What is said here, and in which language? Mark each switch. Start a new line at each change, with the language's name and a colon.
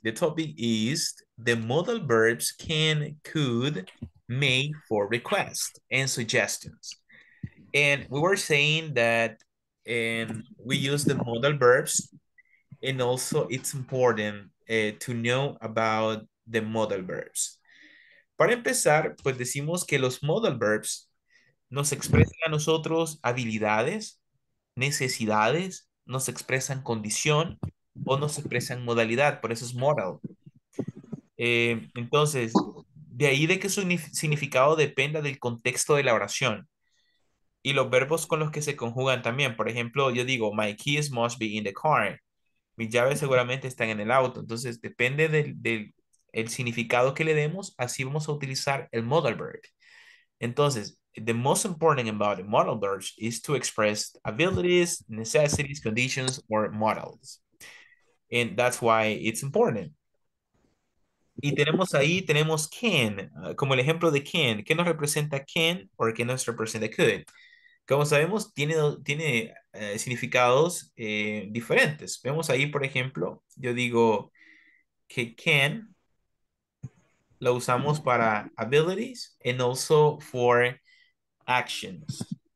English: The topic is the modal verbs can, could, made for request and suggestions. And we were saying that we use the modal verbs, and also it's important to know about the modal verbs.
Spanish: Para empezar, pues decimos que los modal verbs nos expresan a nosotros habilidades, necesidades, nos expresan condición o nos expresan modalidad, por eso es modal. Entonces, de ahí de que su significado dependa del contexto de la oración y los verbos con los que se conjugan también. Por ejemplo, yo digo,
English: my keys must be in the car.
Spanish: Mis llaves seguramente están en el auto. Entonces, depende del significado que le demos, así vamos a utilizar el modal verb.
English: Entonces, the most important about the modal verb is to express abilities, necessities, conditions, or models. And that's why it's important.
Spanish: Y tenemos ahí, tenemos can, como el ejemplo de can. ¿Qué nos representa can o qué nos representa could? Como sabemos, tiene significados diferentes. Vemos ahí, por ejemplo, yo digo que can lo usamos para
English: abilities and also for actions.